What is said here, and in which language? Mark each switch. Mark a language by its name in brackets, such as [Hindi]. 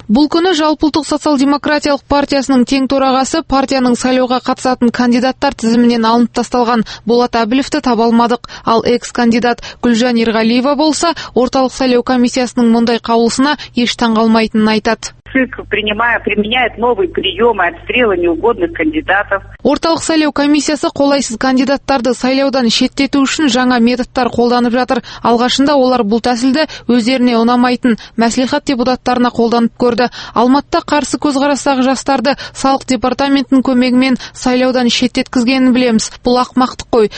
[Kazakh] Бұл күні жалпыұлттық социал-демократиялық партиясының тең тора ағасы партияның сайлауға қатысатын кандидаттар тізімінен алынып тасталған Болат Әбілевті табалмадық. Ал экс-кандидат Гүлжан Ерғалиева болса, орталық сайлау комиссиясының мұндай қаулысына еш таң қалмайтынын айтады. [Russian] Применяет новые приемы отстрела неугодных кандидатов. [Kazakh] Орталық сайлау комиссиясы қолайсыз кандидаттарды сайлаудан шеттету үшін жаңа методтар қолданып жатыр. Алғашында олар бұл тәсілді өздеріне ұнамайтын мәслихат депутаттарына қолданып көрді. Алматыда қарсы көзқарастағы жастарды салық департаментінің көмегімен сайлаудан шеттеткізгенін білеміз. Бұл ақымақтық қой.